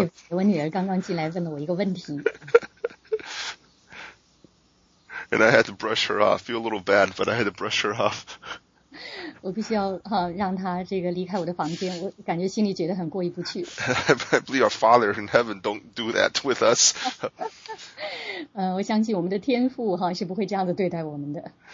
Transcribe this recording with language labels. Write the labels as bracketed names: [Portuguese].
[Chinese] 我女儿刚刚进来问了我一个问题。 [English] And I had to brush her off. Feel a little bad, but I had to brush her off. [Chinese] 我必须要让她这个离开我的房间，我感觉心里觉得很过意不去。 [English] I believe our Father in heaven don't do that with us. [Chinese] 我相信我们的天父是不会这样子对待我们的。